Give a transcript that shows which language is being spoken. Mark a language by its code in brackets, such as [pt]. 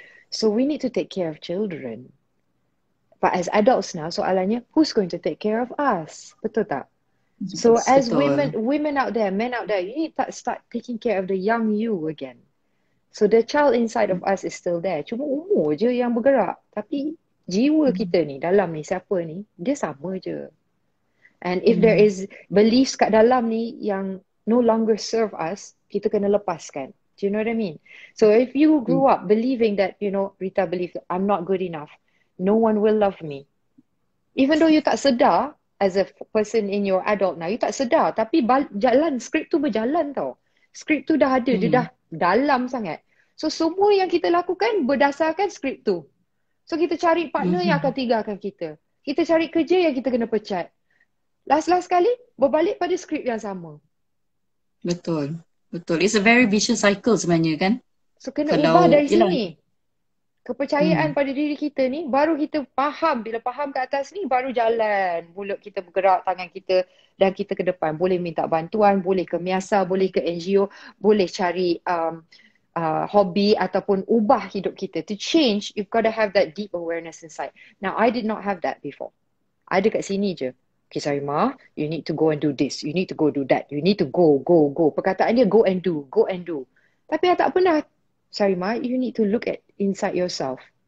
[en] So we need to take care of children. But as adults now, [ms] soalannya, [en] who's going to take care of us? [ms] Betul tak? [en] So as women out there, men out there, you need to start taking care of the young you again. So the child inside of us is still there. [ms] Cuma umur je yang bergerak. Tapi jiwa kita ni, dalam ni, siapa ni, dia sama je. [en] And if there is beliefs [ms] kat dalam ni yang [en] no longer serve us, [ms] kita kena lepaskan. [en] Do you know what I mean? So if you grew up believing that, you know, Rita believes I'm not good enough, no one will love me. Even though you tak sedar, as a person in your adult now, you tak sedar, [ms] tapi jalan, skrip tu berjalan tau. Skrip tu dah ada, dia dah dalam sangat. So semua yang kita lakukan berdasarkan skrip tu. So kita cari partner yang akan tinggalkan kita. Kita cari kerja yang kita kena pecat. Last-last kali, berbalik pada skrip yang sama. Betul. Betul. [en] It's a very vicious cycle sebenarnya, kan? [ms] So, kena ubah dari sini. Kepercayaan pada diri kita ni, baru kita faham. Bila faham kat atas ni, baru jalan. Mulut kita bergerak, tangan kita, dan kita ke depan. Boleh minta bantuan, boleh ke Miasa, boleh ke NGO, boleh cari hobi ataupun ubah hidup kita. [en] To change, you've got to have that deep awareness inside. Now, I did not have that before. I [ms] dekat sini je. [en] Che Puan Sarimah, you need to go and do this. You need to go do that. You need to go, go, go. [ms] Perkataan dia [en] go and do, go and do. [ms] Tapi tak pernah, Che Puan Sarimah, [en] you need to look at inside yourself.